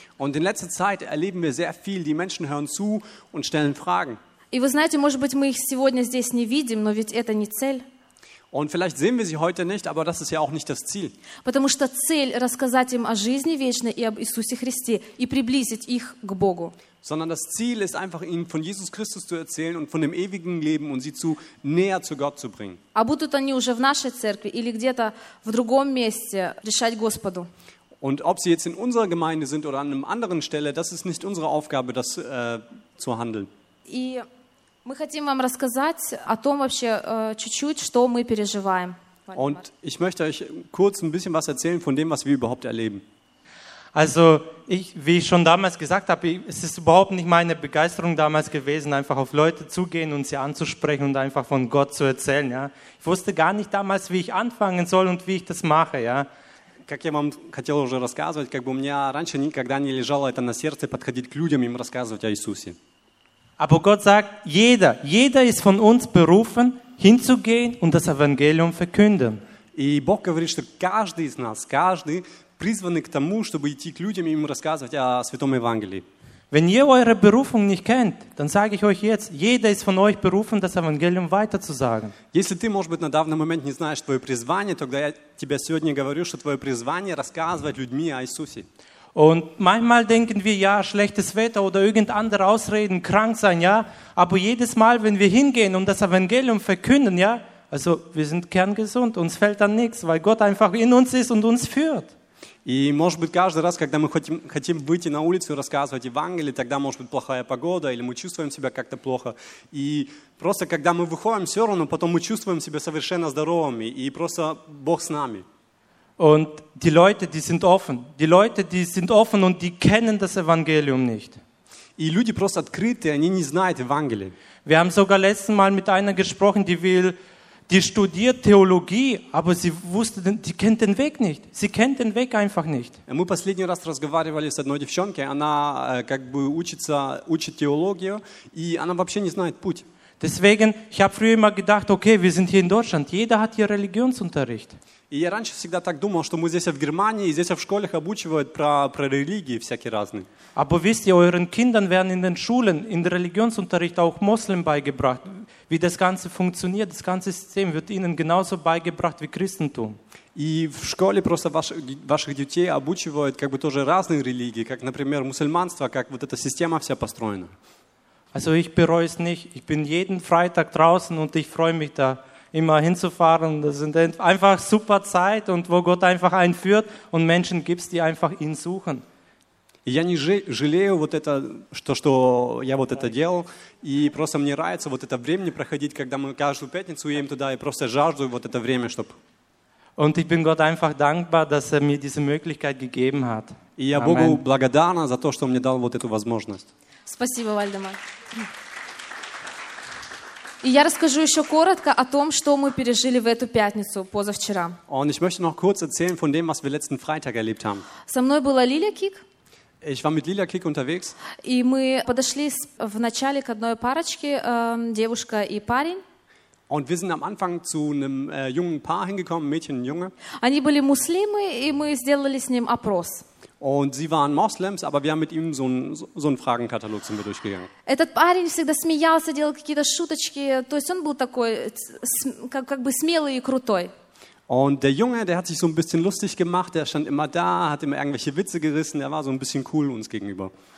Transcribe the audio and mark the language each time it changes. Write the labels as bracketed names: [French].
[German] Und in letzter Zeit erleben wir sehr viel. Die Menschen hören zu und stellen Fragen. [Russian] И вы знаете, может быть, мы их сегодня здесь не видим, но ведь это не цель. [German] Und vielleicht sehen wir sie heute nicht, aber das ist ja auch nicht das Ziel. [Russian] Потому что цель рассказать им о жизни вечной и об Иисусе Христе и приблизить их к Богу. [German] Sondern das Ziel ist einfach ihnen von Jesus Christus zu erzählen und von dem ewigen Leben und sie zu näher zu Gott zu bringen. [Russian] А будут они уже в нашей церкви или где-то в другом месте решать Господу. [German] Und ob sie jetzt in unserer Gemeinde sind oder an einem anderen Stelle, das ist nicht unsere Aufgabe, das zu handeln. [Russian] И мы хотим вам рассказать о том вообще чуть-чуть, что мы переживаем. [German] Und ich möchte euch kurz ein bisschen was erzählen von dem, was wir überhaupt erleben. Also, wie ich schon damals gesagt habe, es ist überhaupt nicht meine Begeisterung damals gewesen, einfach auf Leute zugehen und sie anzusprechen und einfach von Gott zu erzählen, ja. Ich wusste gar nicht damals, wie ich anfangen soll und wie ich das mache, ja. [Russian] Как я вам хотел уже рассказывать, как бы у меня раньше никогда не лежало это на сердце подходить к людям и им рассказывать о Иисусе. [German] Aber Gott sagt, jeder ist von uns berufen, hinzugehen und das Evangelium verkünden. [Russian] И Бог говорит, что каждый из нас, каждый призванный к тому, чтобы идти к людям и им рассказывать о Святом Евангелии. [German] Wenn ihr eure Berufung nicht kennt, dann sage ich euch jetzt, jeder ist von euch berufen, das Evangelium weiterzusagen. [Russian] Если ты, может быть, на данный момент не знаешь твое призвание, тогда я тебе сегодня говорю, что твое призвание рассказывать людьми о Иисусе. [German] Und manchmal denken wir, ja, schlechtes Wetter oder irgendeine andere Ausreden, krank sein, ja. Aber jedes Mal, wenn wir hingehen und das Evangelium verkünden, ja, also wir sind kerngesund, uns fällt dann nichts, weil Gott einfach in uns ist und uns führt. [Russian] И может быть каждый раз, когда мы хотим выйти на улицу и рассказывать Евангелие, тогда может быть плохая погода или мы чувствуем себя как-то плохо. И просто когда мы выходим, все равно потом мы чувствуем себя совершенно здоровыми и просто Бог с нами. [German] Und die Leute, die sind offen. Die Leute, die sind offen und die kennen das Evangelium nicht. [Russian] И люди просто открыты, они не знают Евангелие. [German] Wir haben sogar letzten Mal mit einer gesprochen, die studiert Theologie, aber sie wusste, die kennt den Weg nicht. Sie kennt den Weg einfach nicht. [Russian] Мы последний раз разговаривали с одной девчонкой, она как бы учит теологию, и она вообще не знает путь. [German] Deswegen, ich habe früher immer gedacht, okay, wir sind hier in Deutschland, jeder hat hier Religionsunterricht. [Russian] И я раньше всегда так думал, что мы здесь в Германии, и здесь в школах обучают про религии всякие разные. [German] Aber wisst ihr, euren Kindern werden in den Schulen in der Religionsunterricht auch Moslem beigebracht. Wie das Ganze funktioniert, das ganze System wird ihnen genauso beigebracht wie Christentum. [Russian] И в школе просто ваших детей обучают как бы тоже разные религии, как, например, мусульманство, как вот эта система вся построена. [German] Also ich bereue es nicht. Ich bin jeden Freitag draußen und ich freue mich da immer hinzufahren. Das sind einfach super Zeit und wo Gott einfach einführt und Menschen gibt, die einfach ihn suchen. [Russian] Я не жалею вот это, что я вот это делал, и просто мне нравится вот это время проходить, когда мы каждую пятницу едем туда, и просто жажду вот это время, чтобы... [German] Und ich bin Gott einfach dankbar, dass er mir diese Möglichkeit gegeben hat. [Russian] И я Богу благодарна за то, что он мне дал вот эту возможность. Спасибо, Вальдемар. И я расскажу еще коротко о том, что мы пережили в эту пятницу позавчера. [German] Und ich möchte noch kurz erzählen von dem, was wir letzten Freitag erlebt haben. [Russian] Со мной была Лиля Кик. [German] Ich war mit Lilia Kick unterwegs. [Russian] И мы подошли в начале к одной парочке, девушка и парень. [German] Und wir sind am Anfang zu einem jungen Paar hingekommen, Mädchen und Junge. [Russian] Они были муслимы, и мы сделали с ним опрос. [German] Und sie waren Moslems, aber wir haben mit ihm so einen Fragenkatalog sind wir durchgegangen. [Russian] Этот парень всегда смеялся, делал какие-то шуточки, то есть он был такой как бы смелый и крутой. [German] Und der Junge, der hat sich so ein bisschen lustig gemacht, der stand immer da, hat immer irgendwelche Witze gerissen, der war so ein bisschen cool uns gegenüber.